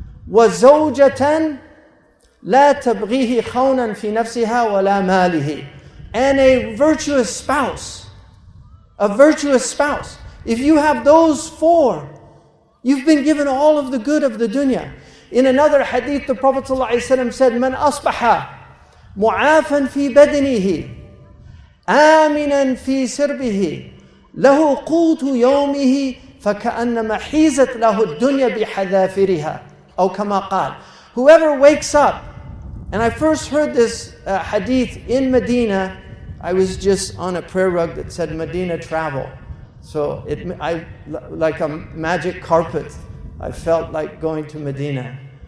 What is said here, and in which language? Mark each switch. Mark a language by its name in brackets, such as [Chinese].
[Arabic] وَزَوْجَةً لَا تَبْغِيهِ خَوْنًا فِي نَفْسِهَا وَلَا مَالِهِ. [English] And a virtuous spouse. A virtuous spouse. If you have those four, you've been given all of the good of the dunya. In another hadith, the Prophet ﷺ said, [Arabic] مَنْ أَصْبَحَ مُعَافًا فِي بَدْنِهِ آمِنًا فِي سِرْبِهِ لَهُ قُوتُ يَوْمِهِ فَكَأَنَّمَا حِيزَتْ لَهُ الدُّنْيَا بِحَذَافِرِهَا. أو كما قال. [English] Whoever wakes up, and I first heard this hadith in Medina. I was just on a prayer rug that said Medina travel. So I like a magic carpet, I felt like going to Medina.